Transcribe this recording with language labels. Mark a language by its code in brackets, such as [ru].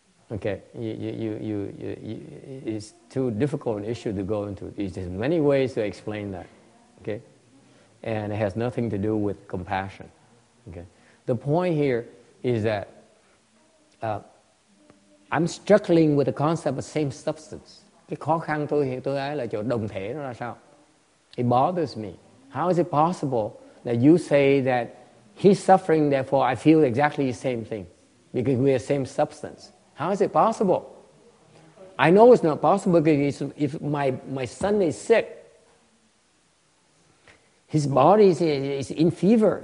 [en] Okay, you it's too difficult an issue to go into. There's many ways to explain that, okay? And it has nothing to do with compassion, okay? The point here is that I'm struggling with the concept of same substance. [vi] Cái khó khăn tôi ấy là chỗ đồng thể nó là sao? [en] It bothers me. How is it possible that you say that he's suffering, therefore I feel exactly the same thing because we are same substance? How is it possible? I know it's not possible because if my son is sick, his body is in fever.